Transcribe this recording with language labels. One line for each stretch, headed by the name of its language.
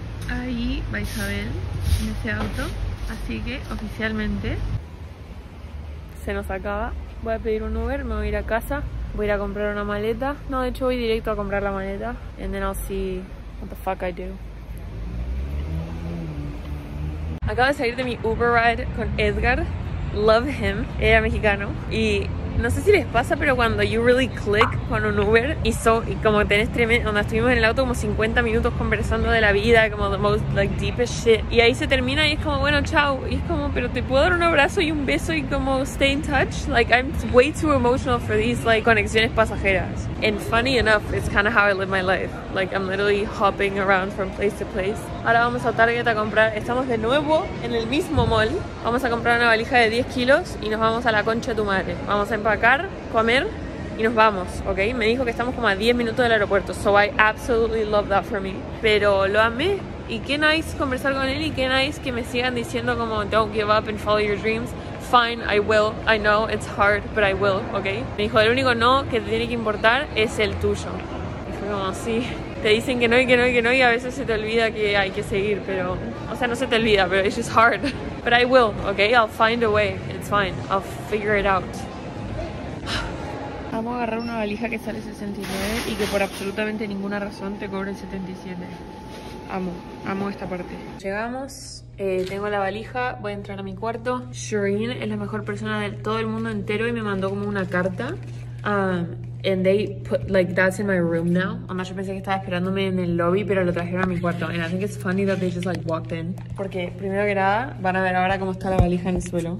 Spanish: Ahí va Isabel en ese auto, así que oficialmente se nos acaba. Voy a pedir un Uber, me voy a ir a casa, voy a ir a comprar una maleta. No, de hecho voy directo a comprar la maleta.
English: And then I'll see what the fuck I do.
Spanish: Acabo de salir de mi Uber ride con Edgar.
English: Love him,
Spanish: era mexicano. Y no sé si les pasa, pero cuando
English: you really click
Spanish: con un Uber y como tenés tremendo, donde estuvimos en el auto como 50 minutos conversando de la vida, como
English: the most like deepest shit,
Spanish: y ahí se termina y es como bueno, chao, y es como pero te puedo dar un abrazo y un beso y como
English: stay in touch, like I'm way too emotional for these like
Spanish: conexiones pasajeras.
English: And funny enough, it's kind of how I live my life, like I'm literally hopping around from place to place.
Spanish: Ahora vamos a Target a comprar, estamos de nuevo en el mismo mall, vamos a comprar una valija de 10 kilos y nos vamos a la concha de tu madre, vamos a empacar, comer y nos vamos, ok? Me dijo que estamos como a 10 minutos del aeropuerto,
English: so I absolutely love that for me.
Spanish: Pero lo amé y qué nice conversar con él y qué nice que me sigan diciendo como
English: don't give up and follow your dreams. Fine, I will, I know it's hard, but I will, ok?
Spanish: Me dijo el único no que te tiene que importar es el tuyo. Y fue como sí. Te dicen que no y que no y que no y a veces se te olvida que hay que seguir, pero o sea, no se te olvida, pero
English: it's just hard. But I will, ok? I'll find a way, it's fine, I'll figure it out.
Spanish: Vamos a agarrar una valija que sale 69 y que por absolutamente ninguna razón te cobre 77. Amo, amo esta parte. Llegamos, tengo la valija, voy a entrar a mi cuarto. Shireen es la mejor persona de todo el mundo entero y me mandó como una carta.
English: And they put, like, that's in my room now.
Spanish: Además, yo pensé que estaba esperándome en el lobby, pero lo trajeron a mi cuarto.
English: And I think it's funny that they just, like, walked in.
Spanish: Porque, primero que nada, van a ver ahora cómo está la valija en el suelo.